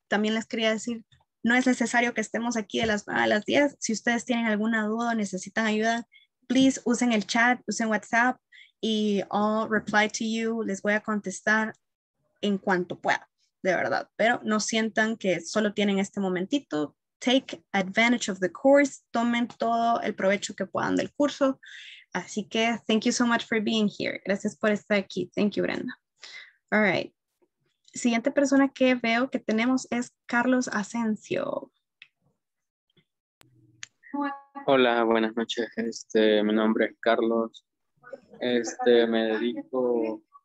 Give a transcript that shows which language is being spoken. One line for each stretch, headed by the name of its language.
Spanish: También les quería decir, no es necesario que estemos aquí de las 9 a las 10. Si ustedes tienen alguna duda o necesitan ayuda,
English: please
Spanish: usen el chat, usen WhatsApp, y
English: I'll reply to you,
Spanish: les voy a contestar en cuanto pueda, de verdad. Pero no sientan que solo tienen este momentito.
English: Take advantage of the course,
Spanish: tomen todo el provecho que puedan del curso. Así que,
English: thank you so much for being here.
Spanish: Gracias por estar aquí.
English: Thank you, Brenda. All right.
Spanish: Siguiente persona que veo que tenemos es Carlos Asensio. Hola, buenas noches. Mi nombre es Carlos. Me dedico...